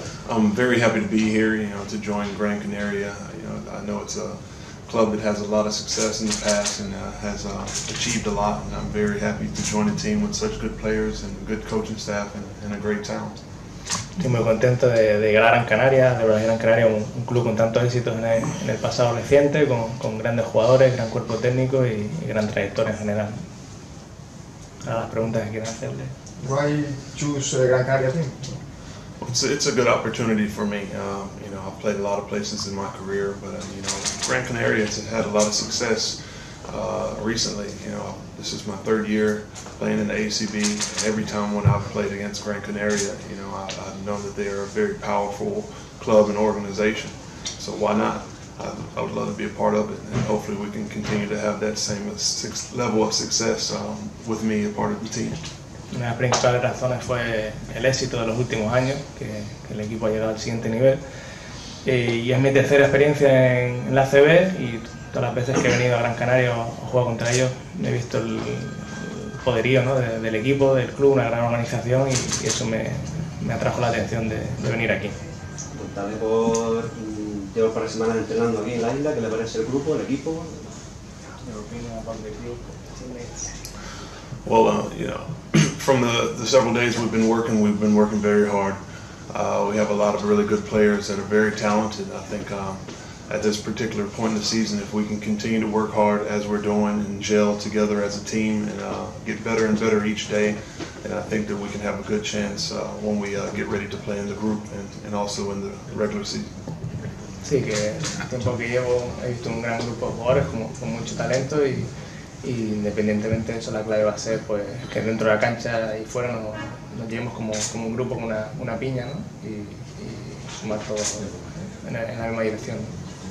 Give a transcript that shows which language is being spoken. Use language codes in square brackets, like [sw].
[en] I'm very happy to be here, you know, to join Gran Canaria. You know, I know it's a club that has a lot of success in the past and has achieved a lot, and I'm very happy to join a team with such good players and good coaching staff and a great talent. [es] Estoy muy contento de llegar a Gran Canaria, de ver a Gran Canaria, un club con tantos éxitos en el pasado reciente, con grandes jugadores, gran cuerpo técnico y gran trayectoria en general. A las preguntas que quieran hacerle. [en] Why choose Gran Canaria team? It's a good opportunity for me. You know, I've played a lot of places in my career, but you know, Gran Canaria has had a lot of success recently. You know, this is my third year playing in the ACB. Every time when I've played against Gran Canaria, you know, I've known that they are a very powerful club and organization. So why not? I would love to be a part of it, and hopefully we can continue to have that same level of success with me a part of the team. [es] Una de las principales razones fue el éxito de los últimos años, que el equipo ha llegado al siguiente nivel. Y es mi tercera experiencia en la ACB y todas las veces que he venido a Gran Canaria o juego contra ellos, me he visto el poderío, ¿no?, del equipo, del club, una gran organización y eso me atrajo la atención de venir aquí. Pues tal vez llevo un par de semanas entrenando aquí en la isla, ¿qué le parece el grupo, el equipo? [en] Well, you know, from the several days we've been working very hard. We have a lot of really good players that are very talented. I think at this particular point in the season, if we can continue to work hard as we're doing and gel together as a team and get better and better each day, then I think that we can have a good chance when we get ready to play in the group and also in the regular season. [es] Sí, que el tiempo que llevo he visto un gran grupo de jugadores con mucho talento y independientemente de eso, la clave va a ser pues que dentro de la cancha y fuera nos llevemos como un grupo, como una piña, ¿no? Y sumar todos en la misma dirección, ¿no?